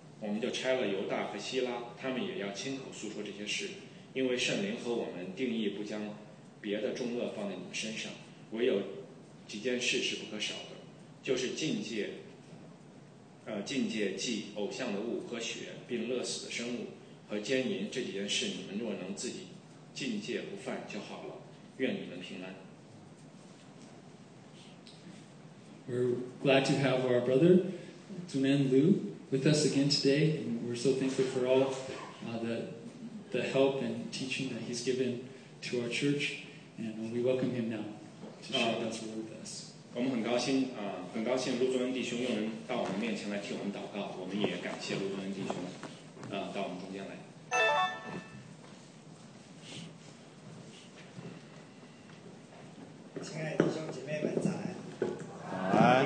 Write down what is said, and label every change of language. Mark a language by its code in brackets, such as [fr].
[zh] 我们就差了犹大和希拉，他们也要亲口诉说这些事，因为圣灵和我们定义不将别的重恶放在你们身上，唯有几件事是不可少的，就是禁戒祭偶像的物和血，并勒死的生物和奸淫，这几件事你们若能自己禁戒不犯就好了，愿你们平安。 [en] We're glad to have our brother Zunan Lu with us again today, and we're so thankful for all the help and teaching that he's given to our churchAnd we welcome him now to share God's word with us. [zh] 我们很高兴，很高兴陆宗恩弟兄又能到我们面前来替我们祷告。我们也感谢陆宗恩弟兄，到我们中间来。亲爱的弟兄姐妹们，早安。